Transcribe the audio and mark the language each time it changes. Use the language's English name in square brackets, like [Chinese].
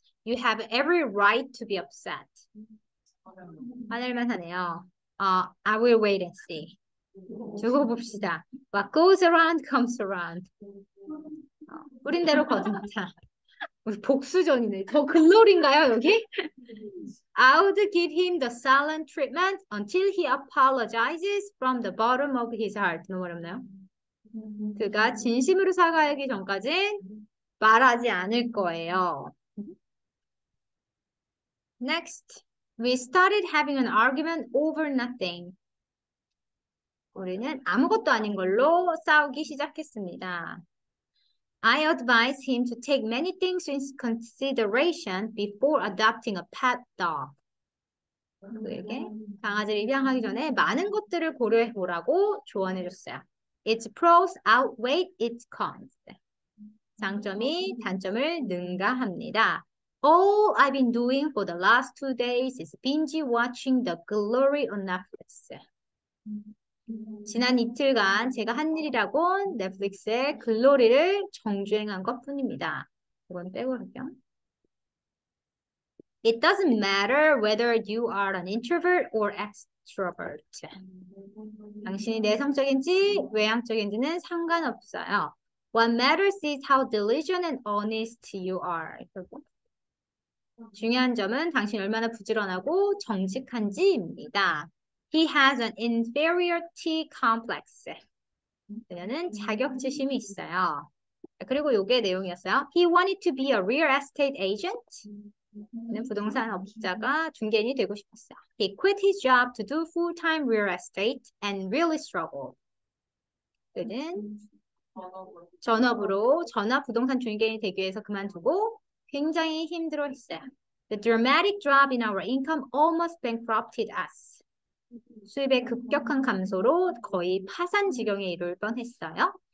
[English] You have every right to be upset. [Korean] 화낼만 하네요. [English] I will wait and see. [Korean] 두고 봅시다. [English] What goes around comes around. [Korean] 뿌린 대로 거듭나. 복수전이네. 더 글로리인가요, 여기? [English] I would give him the silent treatment until he apologizes from the bottom of his heart. [Korean] 너무 어렵나요? 그가 진심으로 사과하기 전까지 말하지 않을 거예요. [English] Next. We started having an argument over nothing. [Korean] 우리는 아무것도 아닌 걸로 싸우기 시작했습니다. [English] I advised him to take many things into consideration before adopting a pet dog. [Korean] 그에게 강아지를 입양하기 전에 많은 것들을 고려해 보라고 조언해 줬어요. [English] Its pros outweigh its cons. [Korean] 장점이 단점을 능가합니다. [English] All I've been doing for the last 2 days is binge watching the glory on Netflix. [Korean] 지난 이틀간 제가 한 일이라고 넷플릭스의 글로리를 정주행한 것뿐입니다. 이건 빼고요. [English] It doesn't matter whether you are an introvert or extrovert. [Korean] 당신이 내성적인지 외향적인지는 상관없어요. [English] What matters is how diligent and honest you are. [Korean] 중요한 점은 당신이 얼마나 부지런하고 정직한지입니다. [English] He has an inferiority complex. [Korean] 그녀는 자격지심이 있어요. 그리고 요게 내용이었어요. [English] He wanted to be a real estate agent. [Korean] 그는 부동산 업자가 중개인이 되고 싶었어요. [English] He quit his job to do full-time real estate and really struggled. [Korean] 그는 전업으로 전업 부동산 중개인이 되기 위해서 그만두고 굉장히 힘들어했어요. [English] The dramatic drop in our income almost bankrupted us. [Korean] 수입의 급격한 감소로 거의 파산 지경에 이를 뻔했어요.